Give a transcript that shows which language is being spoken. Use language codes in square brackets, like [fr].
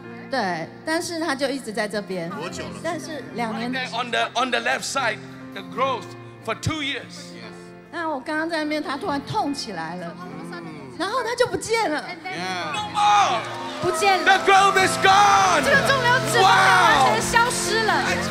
[zh] 对，但是它就一直在这边。多久了？但是两年。 [en] On the left side, the growth for 2 years. [zh] 那我刚刚在那边， 它突然痛起来了， 然后它就不见了。 [en] No more. [zh] 不见了。 [en] The growth is gone. [zh] 这个肿瘤脂肪完全消失了。